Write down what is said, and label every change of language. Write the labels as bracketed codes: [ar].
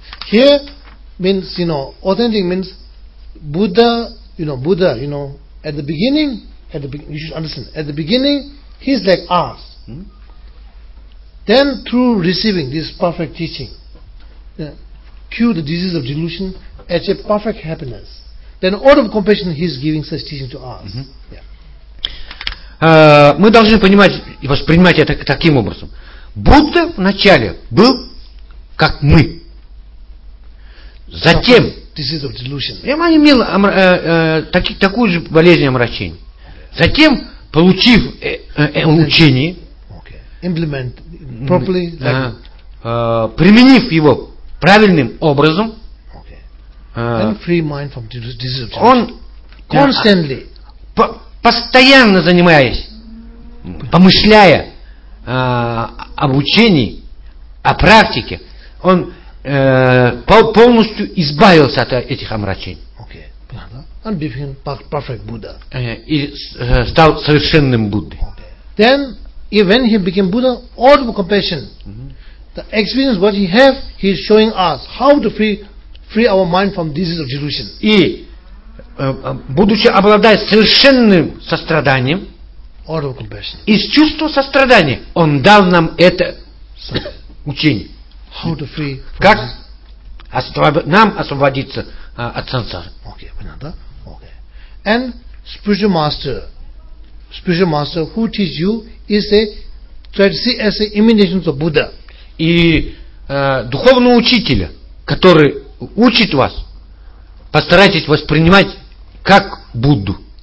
[en] Here means, you know, authentic means Buddha, you know, at the beginning, you should understand, at the beginning, he's like us. Then through receiving this perfect teaching, cure the disease of delusion, achieve perfect happiness. Then out of compassion, he's giving such teaching to us. [ru] Мы должны понимать и воспринимать это таким образом. Будда вначале был как мы. Затем я имел такую же болезнь омрачения. Затем, получив учение, применив его правильным образом, постоянно занимаясь, помышляя об учении, о практике, он полностью избавился от этих омрачений. [en] Okay. And became perfect Buddha. [ru] И стал совершенным Буддой. [en] Okay. Then, when he became Buddha, out of compassion, the experience what he have, he is showing us how to free our mind from disease of delusion. [ru] И будучи обладая совершенным состраданием из чувства сострадания, он дал нам это учение. [en] How to free [ru] как нам освободиться от сансары. Okay, понятно, да? Okay. [en] And spiritual master who teach you is a try to see as an imitation of Buddha. [ru] И духовного учителя, который учит вас, постарайтесь воспринимать как Будду.